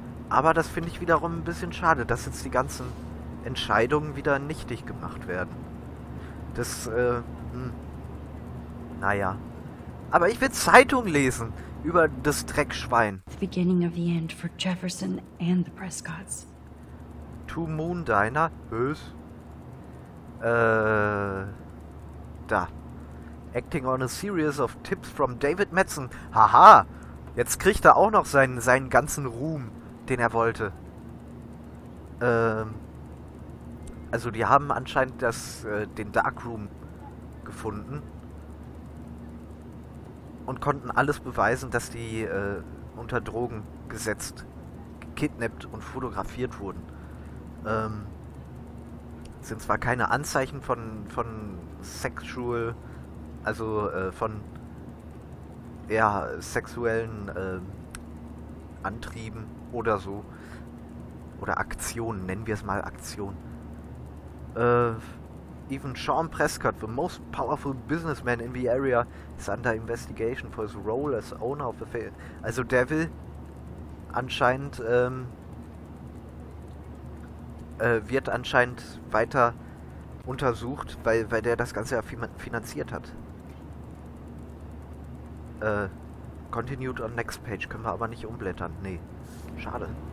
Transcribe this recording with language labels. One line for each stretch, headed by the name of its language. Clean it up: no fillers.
German: Aber das finde ich wiederum ein bisschen schade, dass jetzt die ganzen Entscheidungen wieder nichtig gemacht werden. Das, naja. Aber ich will Zeitung lesen über das Dreckschwein.
English: The beginning of the end for Jefferson and the Prescotts.
German: Two Moon Diner? Was? Da.
English: Acting on a series of tips from David Madsen. Haha!
German: Jetzt kriegt er auch noch seinen ganzen Ruhm, den er wollte. Also die haben anscheinend den Darkroom gefunden. Und konnten alles beweisen, dass die unter Drogen gesetzt, gekidnappt und fotografiert wurden. Sind zwar keine Anzeichen von sexual, also von ja, sexuellen Antrieben oder so. Oder Aktionen, nennen wir es mal Aktion.
English: Even Sean Prescott, the most powerful businessman in the area, is under investigation for his role as owner of the fail.
German: Also der will anscheinend, wird anscheinend weiter untersucht, weil der das Ganze ja finanziert hat.
English: Continued on next page,
German: können wir aber nicht umblättern, nee. Schade.